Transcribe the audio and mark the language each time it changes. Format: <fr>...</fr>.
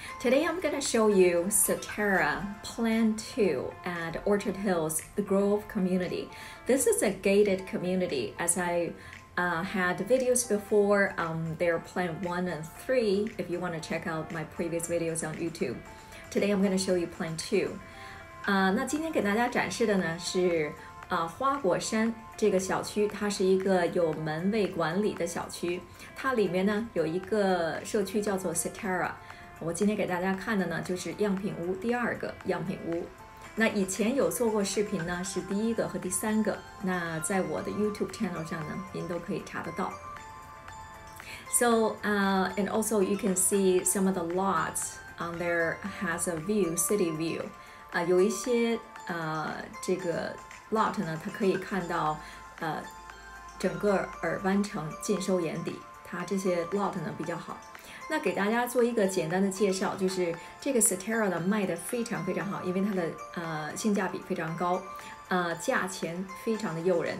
<en>Today I'm going to show you Cetara Plan 2 at Orchard Hills Grove Community. This is a gated community. As I had videos before, they're Plan 1 and 3. If you want to check out my previous videos on YouTube. Today I'm going to show you Plan 2.</en> <zh>那今天给大家展示的呢是花果山这个小区，它是一个有门卫管理的小区，它里面呢有一个社区叫做 Cetara。我今天给大家看的呢就是样品屋，第二个样品屋。那以前有做过视频呢，是第一个和第三个，那在我的 YouTube channel 上呢您都可以查得到。</zh> <en>So and also you can see some of the lots on there has a view, city view.</en> <zh>有一些这个Lot 呢，它可以看到，整个尔湾城尽收眼底。它这些 Lot 呢比较好。那给大家做一个简单的介绍，就是这个 Cetara 呢卖的非常非常好，因为它的性价比非常高，价钱非常的诱人。</zh>